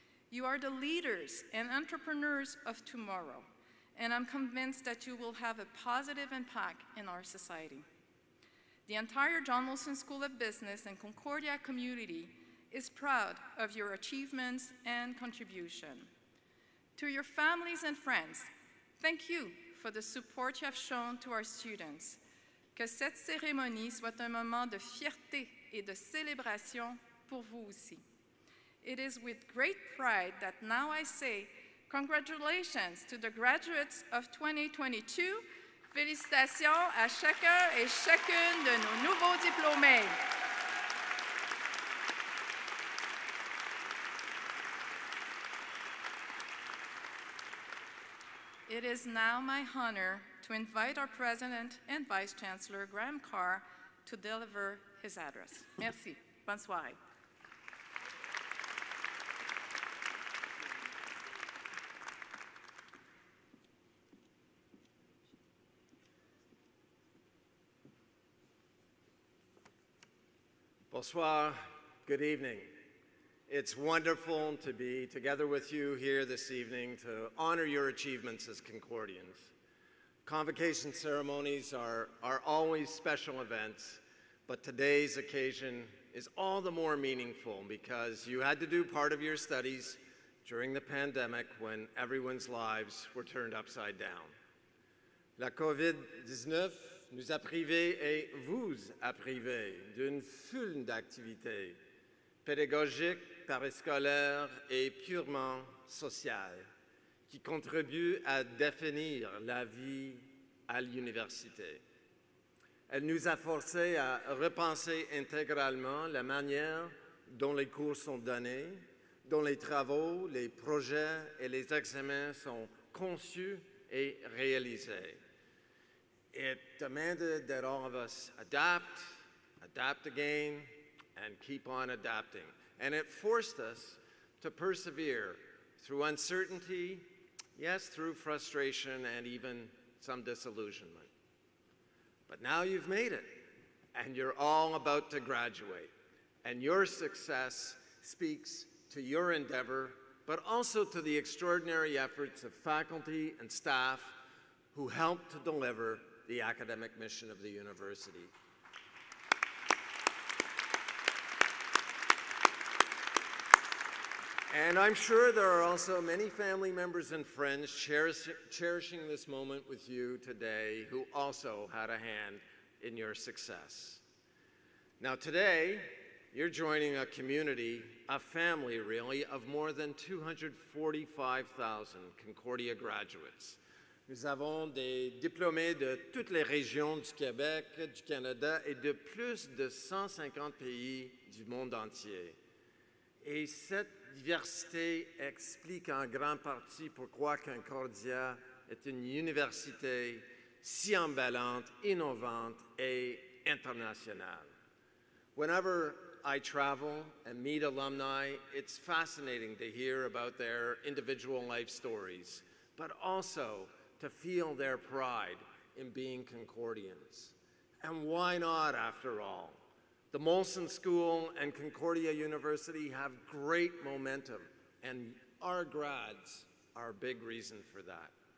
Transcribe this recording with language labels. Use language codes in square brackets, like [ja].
[en] You are the leaders and entrepreneurs of tomorrow, and I'm convinced that you will have a positive impact in our society. The entire John Molson School of Business and Concordia community is proud of your achievements and contribution. To your families and friends, thank you for the support you have shown to our students. [fr] Que cette cérémonie soit un moment de fierté et de célébration pour vous aussi. [en] It is with great pride that now I say congratulations to the graduates of 2022. [fr] Félicitations à chacun et chacune de nos nouveaux diplômés. [en] It is now my honor to invite our President and Vice Chancellor, Graham Carr, to deliver his address. [fr] Merci. Bonne soirée. Bonsoir. [en] Good evening. It's wonderful to be together with you here this evening to honor your achievements as Concordians. Convocation ceremonies are always special events, but today's occasion is all the more meaningful because you had to do part of your studies during the pandemic when everyone's lives were turned upside down. [fr] La COVID-19 nous a privés et vous a privés d'une foule d'activités pédagogiques, parascolaire et purement sociale, qui contribue à définir la vie à l'université. Elle nous a forcés à repenser intégralement la manière dont les cours sont donnés, dont les travaux, les projets et les examens sont conçus et réalisés. [en] It demanded that all of us adapt, adapt again, and keep on adapting. And it forced us to persevere through uncertainty, yes, through frustration, and even some disillusionment. But now you've made it, and you're all about to graduate. And your success speaks to your endeavor, but also to the extraordinary efforts of faculty and staff who helped to deliver the academic mission of the university. And I'm sure there are also many family members and friends cherishing this moment with you today who also had a hand in your success. Now today, you're joining a community, a family really, of more than 245,000 Concordia graduates. [fr] Nous avons des diplômés de toutes les régions du Québec, du Canada et de plus de 150 pays du monde entier. Et cette diversité explique en grande partie pourquoi Concordia est une université si emballante, innovante et internationale. [en] Whenever I travel and meet alumni, it's fascinating to hear about their individual life stories, but also to feel their pride in being Concordians. And why not, after all? The Molson School and Concordia University have great momentum, and our grads are a big reason for that.